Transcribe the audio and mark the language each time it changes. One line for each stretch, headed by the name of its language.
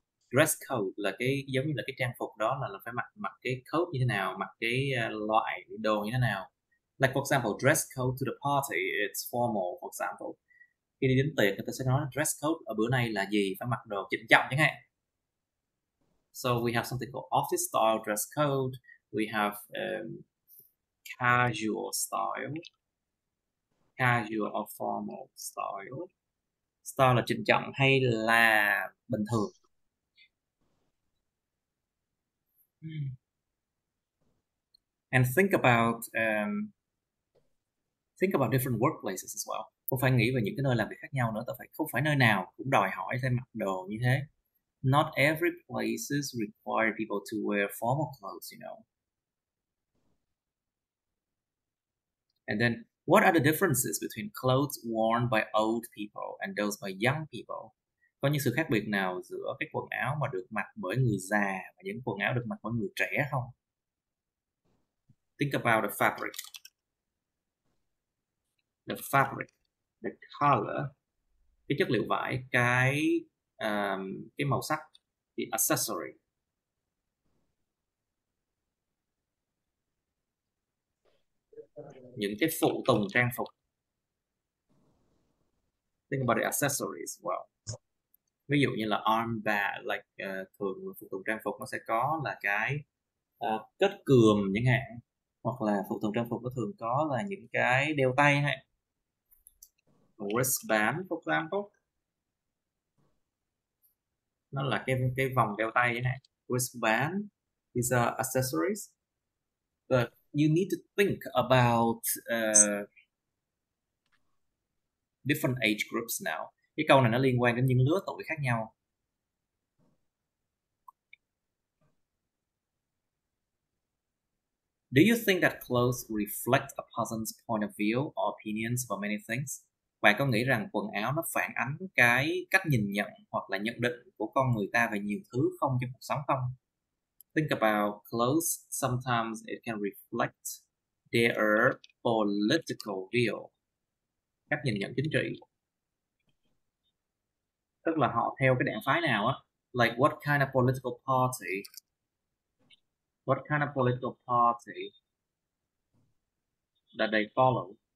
Vietnamese: Dress code là cái giống như là cái trang phục đó, là phải mặc mặc cái coat như thế nào, mặc cái loại đồ như thế nào.
English: Like for example, dress code to the party, it's formal. For example,
Vietnamese: khi đi đến tiệc người ta sẽ nói dress code ở bữa nay là gì, phải mặc đồ chỉnh trọng chẳng hạn.
English: So we have something called office style dress code. We have casual style, casual or formal style.
Vietnamese: Style là chỉnh trọng hay là bình thường.
English: And think about different workplaces as well.
Vietnamese: Không phải nghĩ về những cái nơi làm việc khác nhau nữa. Không phải nơi nào cũng đòi hỏi phải mặc đồ như thế.
English: Not every places require people to wear formal clothes, you know. And then, what are the differences between clothes worn by old people and those by young people?
Vietnamese: Có những sự khác biệt nào giữa cái quần áo mà được mặc bởi người già và những quần áo được mặc bởi người trẻ không?
English: Think about the fabric. The fabric, the color,
Vietnamese: cái chất liệu vải, cái màu sắc,
English: the accessory.
Vietnamese: Những cái phụ tùng trang phục.
English: Think about the accessories as well.
Vietnamese: Ví dụ như là armband, like thường phụ tùng trang phục nó sẽ có là cái kết cườm chẳng hạn, hoặc là phụ tùng trang phục nó thường có là những cái đeo tay hay wristband,
English: for example.
Vietnamese: Nó là cái vòng đeo tay chẳng hạn.
English: Wristband, these are accessories. But you need to think about different age groups now.
Vietnamese: Cái câu này nó liên quan đến những lứa tuổi khác nhau.
English: Do you think that clothes reflect a person's point of view or opinions about many things?
Vietnamese: Bạn có nghĩ rằng quần áo nó phản ánh cái cách nhìn nhận hoặc là nhận định của con người ta về nhiều thứ không trong cuộc sống không?
English: Think about clothes. Sometimes it can reflect their political view.
Vietnamese: Cách nhìn nhận chính trị. Tức là họ theo cái đảng phái nào á.
English: Like what kind of political party? What kind of political party that they follow?